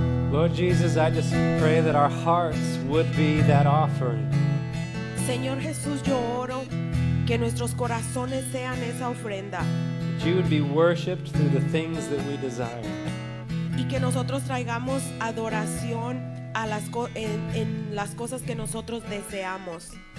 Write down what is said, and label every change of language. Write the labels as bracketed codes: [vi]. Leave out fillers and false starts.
[en] Lord Jesus, I just pray that our hearts would be that offering. [es] Señor Jesús, yo oro que nuestros corazones sean esa ofrenda. [en] That you would be worshipped through the things that we desire. [es] Y que nosotros traigamos adoración a las en las cosas que nosotros deseamos.